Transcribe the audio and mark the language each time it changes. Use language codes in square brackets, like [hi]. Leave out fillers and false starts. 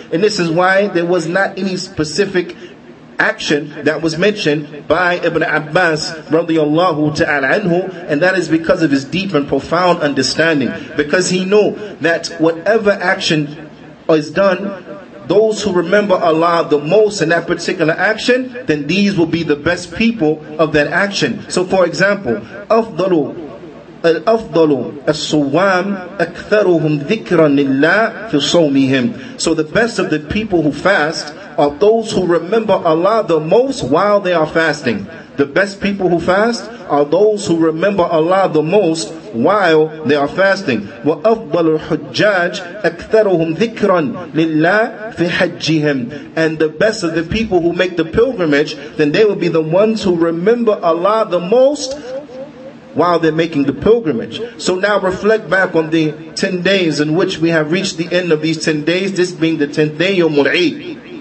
[en] And this is why there was not any specific action that was mentioned by Ibn Abbas radiallahu ta'ala anhu, and that is because of his deep and profound understanding, because he knew that whatever action is done, those who remember Allah the most in that particular action, then these will be the best people of that action. So for example, [ar] afdalu الأفضل الصوام أكثرهم ذكرا لله في صومهم. [en] So the best of the people who fast are those who remember Allah the most while they are fasting. The best people who fast are those who remember Allah the most while they are fasting. [ar] وأفضل الحجاج أكثرهم ذكرا لله في حجهم. [en] And the best of the people who make the pilgrimage, then they will be the ones who remember Allah the most while they're making the pilgrimage. So now reflect back on the 10 days in which we have reached the end of these 10 days, this being the 10th day, Yawm al-Eid.